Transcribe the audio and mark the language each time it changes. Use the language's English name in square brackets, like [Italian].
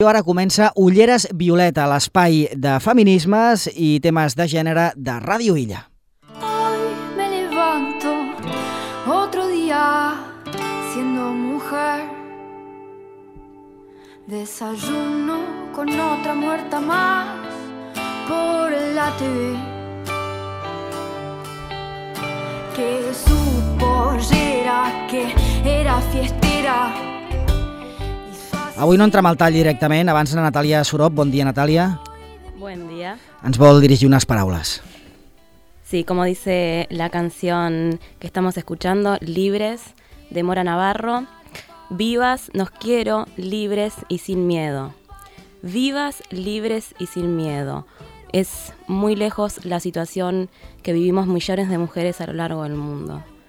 [Catalan] I ara comença Ulleres Violeta, l'espai de feminismes i temes de gènere de Ràdio Illa. [Spanish] Hoy me levanto otro día siendo mujer. Desayuno con otra muerta más por la TV. Que supo era que era fiestera. [Catalan] Avui no entrem al tall directament, abans de Natàlia Sorop. Bon dia, Natàlia. [Spanish] Buen día. [Catalan] Ens vol dirigir unes paraules. [Spanish] Sí, como dice la canción que estamos escuchando, Libres, de Mora Navarro. Vivas, nos quiero, libres y sin miedo. Vivas, libres y sin miedo. Es muy lejos la situación que vivimos millones de mujeres a lo largo del mundo.